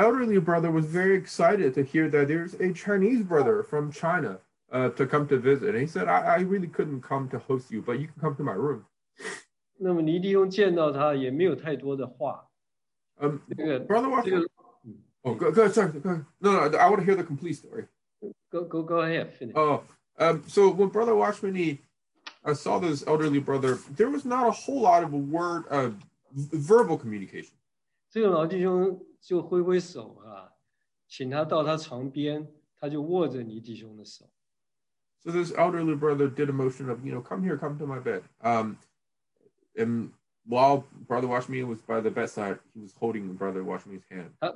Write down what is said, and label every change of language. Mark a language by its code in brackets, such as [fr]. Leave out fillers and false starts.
[en] elderly brother was very excited to hear that there's a Chinese brother from China to come to visit. And he said, I really couldn't come to host you, but you can come to my room. [zh] 那么尼弟兄见到他也没有太多的话。 [en] Brother Watchman, go ahead. No, I want to hear the complete story. Go ahead. Finish. So when Brother Watchman saw this elderly brother, there was not a whole lot of verbal communication. [zh] 这个老弟兄就挥挥手啊，请他到他床边，他就握着尼弟兄的手。 [en] So this elderly brother did a motion of, you know, come here, come to my bed. And while Brother Watchman was by the bedside, he was holding Brother Watchman's hand.